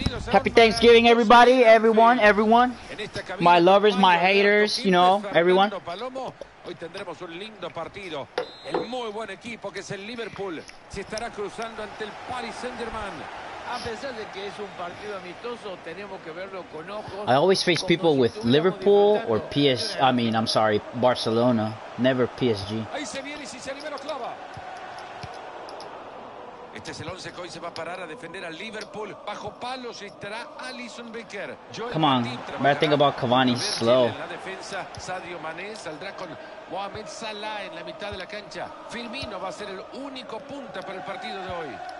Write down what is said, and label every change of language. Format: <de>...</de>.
<en>Happy Thanksgiving, everybody, everyone. My lovers, my haters, you know, everyone.</en> <es>Hoy tendremos un lindo partido. El muy buen equipo que es el Liverpool se estará cruzando ante el Paris Saint-Germain. A pesar de que es un partido amistoso, tenemos que verlo con ojos.</es> <en>I always face people with Liverpool or PSG. I mean, I'm sorry, Barcelona. Never PSG.</en> <es>Ahí se viene y si se libera clava. Este es el 11 que hoy se va a parar a defender al Liverpool. Bajo palos estará Alisson Becker.</es> <en>Come on, better think about Cavani, slow.</en> <es>La defensa, Sadio Mané saldrá con Mohamed Salah en la mitad de la cancha. Firmino va a ser el único punta para el partido de hoy.</es>